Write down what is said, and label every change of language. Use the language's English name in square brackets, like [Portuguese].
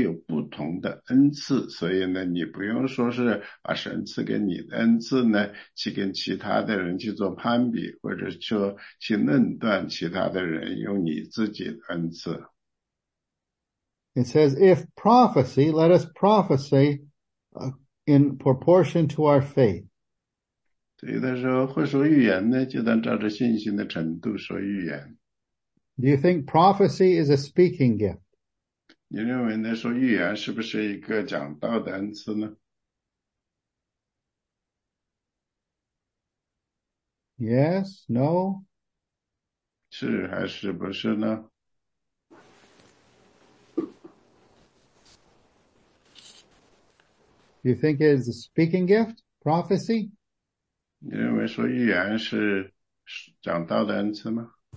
[Chinese] 这个里面呢，讲到的呢，第6章第8节呢，就是讲到的是所有的这些属灵的恩赐。当然，这并不一定都是关于讲到的恩赐。讲到的恩赐呢，但是呢，我们读的过程中要把这些讲到的恩赐呢找出来。然后，就像那个第6节说的，按照所给我们的恩典赐给各有不同。所以，这个里面讲到的神给我们每一个人呢都有不同的恩赐。所以呢，你不用 说是把神赐给你的恩赐呢，去跟其他的人去做攀比，或者说去论断其他的人用你自己的恩赐。 [English] It says, if prophecy, let us prophecy in proportion to our faith. [Chinese] 所以他说会说预言呢，就当照着信心的程度说预言。 [English] Do you think prophecy is a speaking gift? [Chinese] 你认为那时候预言是不是一个讲道的恩赐呢？ [English] Yes, no. [Chinese] 是还是不是呢？ [English] Do you think it is a speaking gift, prophecy? [Chinese] 你认为说预言是讲道的恩赐吗？